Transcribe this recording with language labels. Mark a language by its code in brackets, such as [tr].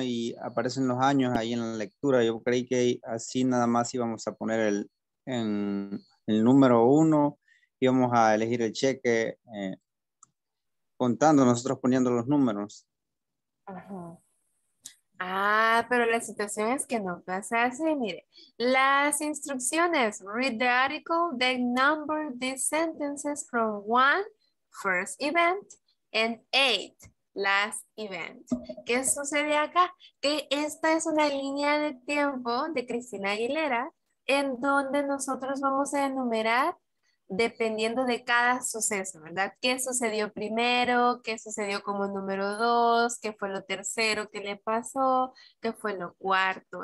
[es] Y aparecen los años ahí en la lectura. Yo creí que así nada más íbamos a poner el número uno. Íbamos a elegir el cheque contando, nosotros poniendo los números. Ajá. Ah, pero la situación es que no pasa así. Mire, las instrucciones. [en] Read the article, then number the sentences from one, first event, and eight. Last event. [es] ¿Qué sucede acá? Que esta es una línea de tiempo de Cristina Aguilera en donde nosotros vamos a enumerar dependiendo de cada suceso, ¿verdad? ¿Qué sucedió primero? ¿Qué sucedió como número dos? ¿Qué fue lo tercero que le pasó? ¿Qué fue lo cuarto?